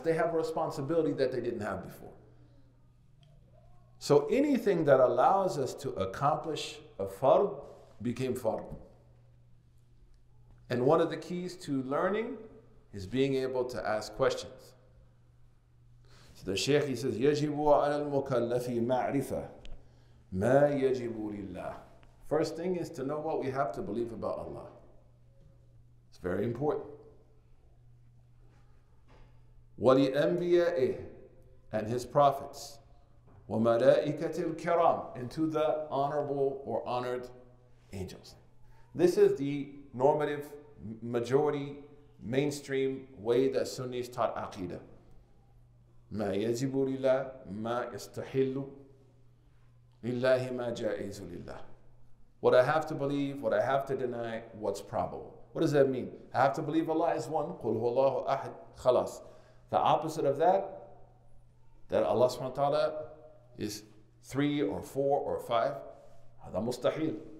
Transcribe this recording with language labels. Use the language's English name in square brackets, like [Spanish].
[English] They have a responsibility that they didn't have before. So anything that allows us to accomplish a fard became fard. And one of the keys to learning is being able to ask questions. So the Shaykh, he says, [Arabic] يجب على المكلف معرفة ما يجب لله. [English] First thing is to know what we have to believe about Allah. It's very important. [Arabic] ولأنبيائه [English] and his prophets [Arabic] وملائكة الكرام [English] and to the honorable or honored angels. This is the normative majority mainstream way that Sunnis taught Aqidah. [Arabic] ما يجب لله ما يستحل لله ما جائز لله. [English] What I have to believe, what I have to deny, what's probable. What does that mean? I have to believe Allah is one. [Arabic] قل هو الله أحد. خلاص. [English] The opposite of that Allah subhanahu wa ta'ala is three or four or five, [Arabic] هذا مستحيل.